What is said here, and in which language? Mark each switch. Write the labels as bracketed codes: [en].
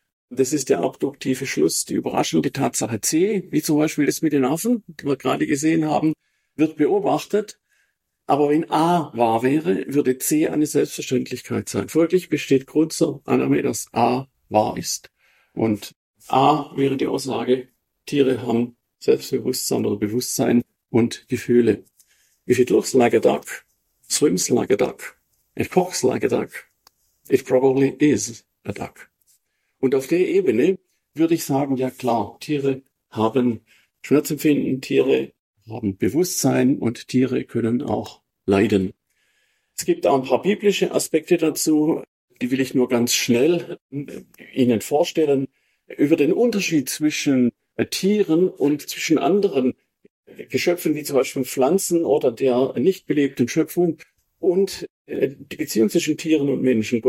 [de] Das ist der abduktive Schluss, die überraschende Tatsache C, wie zum Beispiel das mit den Affen, die wir gerade gesehen haben, wird beobachtet. Aber wenn A wahr wäre, würde C eine Selbstverständlichkeit sein. Folglich besteht Grund zur Annahme, dass A wahr ist. Und A wäre die Aussage, Tiere haben Selbstbewusstsein oder Bewusstsein und Gefühle. [en] If it looks like a duck, swims like a duck, it talks like a duck, it probably is a duck. [de] Und auf der Ebene würde ich sagen, ja klar, Tiere haben Schmerzempfinden, Tiere haben Bewusstsein und Tiere können auch leiden. Es gibt auch ein paar biblische Aspekte dazu, die will ich nur ganz schnell Ihnen vorstellen, über den Unterschied zwischen Tieren und zwischen anderen Geschöpfen, wie zum Beispiel Pflanzen oder der nicht belebten Schöpfung und die Beziehung zwischen Tieren und Menschen.